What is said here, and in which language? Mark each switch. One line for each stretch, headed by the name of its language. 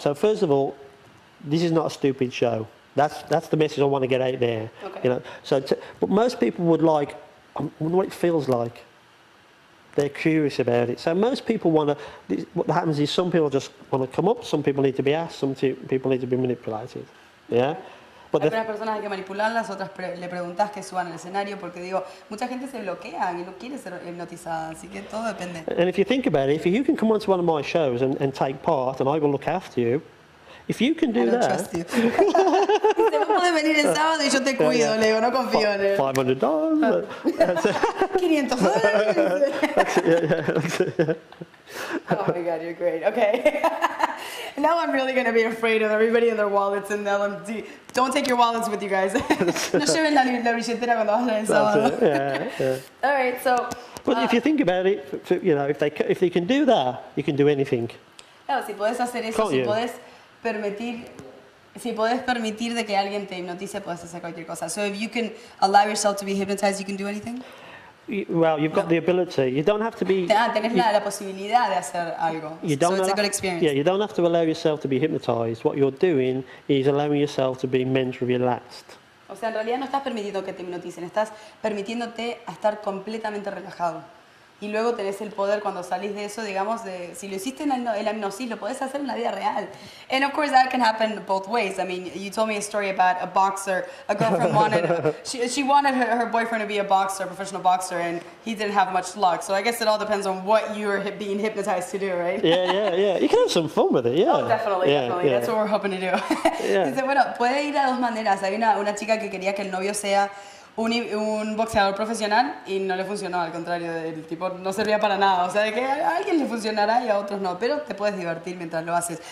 English: So first of all, this is not a stupid show. That's the message I want to get out there. Okay. You know. So, but most people would like. I wonder what it feels like. They're curious about it. So most people want to. What happens is some people just want to come up. Some people need to be asked. Some people need to be manipulated. Yeah.
Spanish: Hay algunas personas hay que manipularlas, otras le preguntas que suban al escenario, porque digo, mucha gente se bloquea y no quiere ser hipnotizada, así que todo depende.
English: And if you think about it, if you can come onto one of my shows and take part, and I will look after you, if you can do that... I don't trust you.
Spanish: Puedes venir el sábado y yo te cuido, yeah. Le digo, no confío en él.
English: $500. $500. Oh my God, you're great. Okay. Now I'm really going to be afraid of everybody and their wallets in the LMD. Don't take your wallets with you guys.
Spanish: No lleven la billetera cuando vas a el sábado.
English: Yeah. All right, so... But if you think about it, you know, if they can do that, you can do anything.
Spanish: No, si puedes hacer eso, si puedes permitir... Si puedes permitir de que alguien te hipnotice, puedes hacer cualquier cosa.
English: So if you can allow yourself to be hypnotized, you can do anything? Well, you've got the ability. You don't have to be...
Spanish: la posibilidad de hacer algo.
English: You don't so it's a good experience. Yeah, you don't have to allow yourself to be hypnotized. What you're doing is allowing yourself to be mentally relaxed.
Spanish: O sea, en realidad no estás permitiendo que te hipnoticen. Estás permitiéndote a estar completamente relajado. Y luego tenés el poder cuando salís de eso, digamos, de... Si lo hiciste en la hipnosis, lo podés hacer en la vida real.
English: And of course, that can happen both ways. I mean, you told me a story about a boxer. A girlfriend wanted... she wanted her boyfriend to be a boxer, a professional boxer, and he didn't have much luck. So I guess it all depends on what you're being hypnotized to do, right? Yeah. You can have some fun with it, yeah. Oh, definitely. Yeah. That's what we're hoping to do. Yeah.
Spanish: Dice, bueno, puede ir a dos maneras. Hay una chica que quería que el novio sea... un boxeador profesional y no le funcionó, al contrario, el tipo no servía para nada, o sea, de que a alguien le funcionará y a otros no, pero te puedes divertir mientras lo haces.